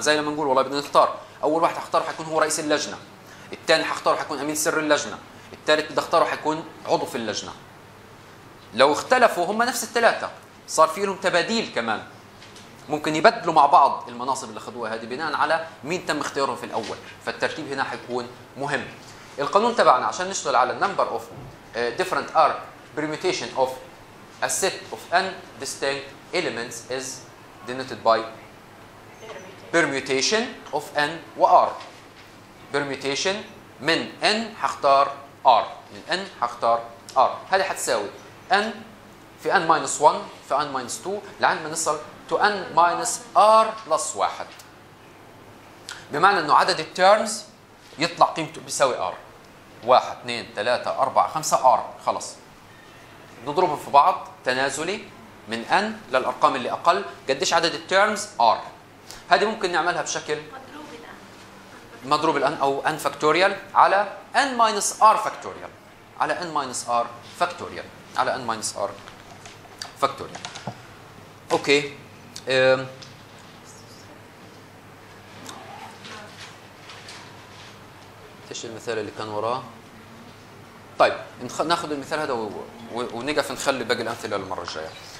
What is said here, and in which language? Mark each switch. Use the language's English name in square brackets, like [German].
[Arabic] زي لما نقول والله بدنا نختار اول واحد حختاره حيكون هو رئيس اللجنه، الثاني حختاره حيكون امين سر اللجنه، الثالث بدي اختاره حيكون عضو في اللجنه. لو اختلفوا هم نفس الثلاثه صار في لهم تباديل كمان، ممكن يبدلوا مع بعض المناصب اللي خدوها هذه بناء على مين تم اختياره في الاول، فالترتيب هنا حيكون مهم. القانون تبعنا عشان نشتغل على [English] number of different r permutation of a set of n distinct elements is denoted by permutation of n و r. [Arabic] permutation من n هختار r، من n هختار r، هذه هتساوي n في [English] n minus 1 [Arabic] في [English] n minus 2 [Arabic] لعند ما نصل [English] to n minus r plus 1، [Arabic] بمعنى انه عدد الترمز يطلع قيمته بيساوي r، 1 2 3 4 5 r، خلاص نضربهم في بعض تنازلي من n للارقام اللي اقل، قديش عدد الترمز r. هذه ممكن نعملها بشكل مضروب الان او n فاكتوريال على [English] n minus r [Arabic] فاكتوريال، على n minus r فاكتوريال، على n minus r فاكتوريال. اوكي ايش المثال اللي كان وراه؟ طيب ناخذ المثال هذا ونقف نخلي باقي الامثله للمره الجايه.